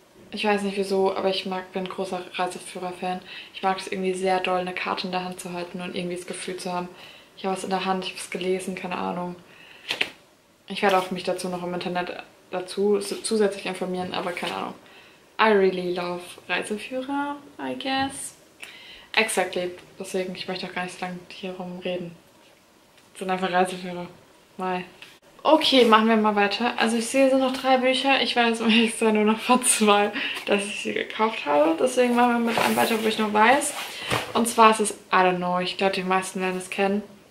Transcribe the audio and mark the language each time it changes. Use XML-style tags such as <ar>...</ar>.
<de>Ich weiß nicht wieso, aber bin großer Reiseführer-Fan. Ich mag es irgendwie sehr doll, eine Karte in der Hand zu halten und irgendwie das Gefühl zu haben, ich habe was in der Hand, ich habe es gelesen, keine Ahnung. Ich werde auch mich dazu noch im Internet zusätzlich informieren, aber keine Ahnung.</de> <en>I really love Reiseführer, I guess. Exactly.</en> <de>Deswegen, ich möchte auch gar nicht so lange hier rumreden. Sind einfach Reiseführer. Mal. Okay, machen wir mal weiter. Also ich sehe so noch 3 Bücher. Ich weiß, um ehrlich zu sein, nur noch von 2, dass ich sie gekauft habe. Deswegen machen wir mit einem weiter, wo ich noch weiß. Und zwar ist es,</de> <en>I don't know,</en> <de>ich glaube, die meisten werden es kennen.</de>